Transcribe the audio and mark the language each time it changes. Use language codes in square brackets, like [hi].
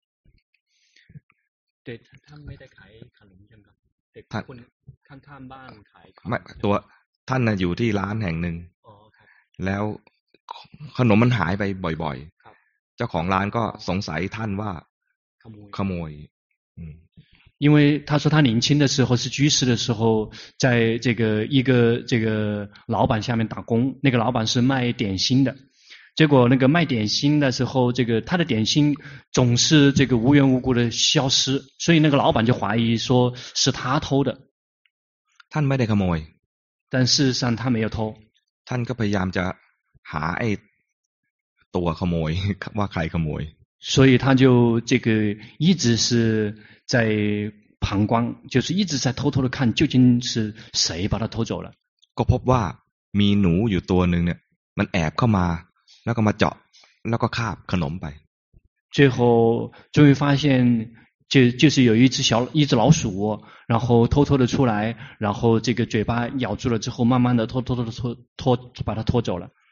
[th] ปเด็กท่านไม่ได้ขายขนมใช่ไหมครับเด็กคนข้างๆบ้านขาย ไม่ตัวท่านน่ะอยู่ที่ร้านแห่งหนึ่งแล้วขนมมันหายไปบ่อยๆเจ้าของร้านก็สงสัยท่านว่า ขโมย [zh] 因为他说他年轻的时候是居士的时候在这个一个这个老板下面打工那个老板是卖点心的结果那个卖点心的时候这个他的点心总是这个无缘无故的消失所以那个老板就怀疑说是他偷的 [th] ท่านไม่ได้ขโมย [zh] 但事实上他没有偷 [th] ท่านก็พยายามจะหาไอ้ตัวขโมยว่าใครขโมย [zh] 所以他就这个一直是在旁观就是一直在偷偷的看究竟是谁把他偷走了 [th] ก็พบว่ามีหนูอยู่ตัวนึงเนี่ยมันแอบเข้ามาแล้วก็มาเจาะแล้วก็คาบขนมไป [zh] 最后终于发现就是有一只老鼠然后偷偷的出来然后这个嘴巴咬住了之后慢慢的偷偷的把它拖走了